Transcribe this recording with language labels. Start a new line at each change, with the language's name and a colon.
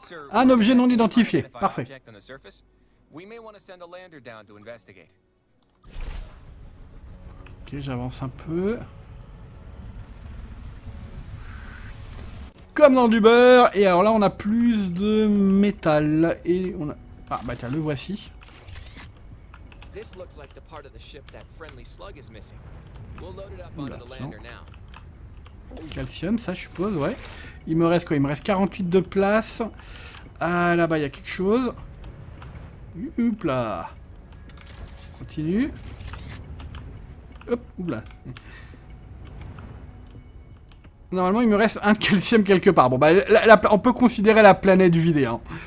French: Un objet non identifié. Parfait. Ok, j'avance un peu. comme dans du beurre. Et alors là, on a plus de métal. Et on a... Ah, bah tiens, le voici.
English: This looks like the part of the ship that friendly slug is missing. We'll load it up onto the lander now.
French: Calcium, ça, je suppose, ouais. Il me reste quoi? Il me reste 48 de place. Ah, là-bas, il y a quelque chose. Hop là. Continue. Hop, oula. Normalement, il me reste un calcium quelque part. Bon, bah, on peut considérer la planète vidée, hein.